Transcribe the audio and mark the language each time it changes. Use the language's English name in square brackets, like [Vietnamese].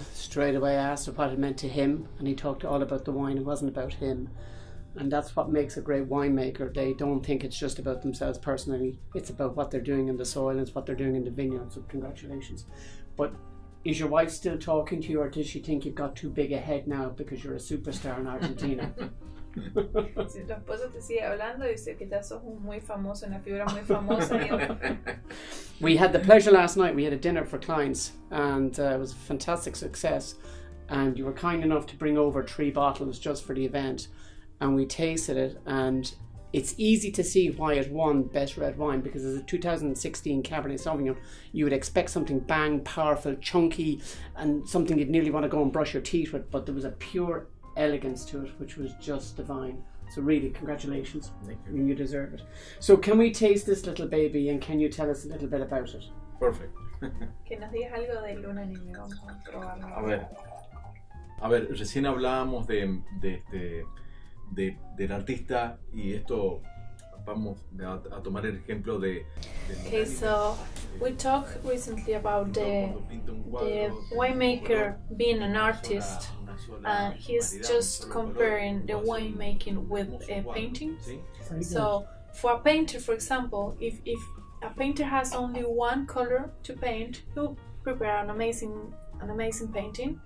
[English] Straight away I asked what it meant to him, and he talked all about the wine. It wasn't about him. And that's what makes a great winemaker. They don't think it's just about themselves personally. It's about what they're doing in the soil, and it's what they're doing in the vineyard. So congratulations. But Is your wife still talking to you, or does she think you've got too big a head now because you're a superstar in Argentina? [Spanish] Si tu esposo te sigue hablando, dice que ya sos muy famoso, una figura muy famosa. [English] We had the pleasure last night, we had a dinner for clients, and it was a fantastic success. And you were kind enough to bring over 3 bottles just for the event. And we tasted it, and it's easy to see why it won Best Red Wine, because as a 2016 Cabernet Sauvignon, you would expect something bang, powerful, chunky, and something you'd nearly want to go and brush your teeth with, but there was a pure elegance to it, which was just divine. So really, congratulations. Thank you. You deserve it. So can we taste this little baby, and can you tell us a little bit about it? Perfect. [Spanish] Que nos digas algo de Luna Negra. A ver. A ver, recién hablábamos del artista, y esto vamos a tomar el ejemplo de [English] okay, so we talked recently about the winemaker being an artist, and he's just comparing the winemaking with a painting. So for a painter, for example, if a painter has only one color to paint, he'll prepare an amazing painting,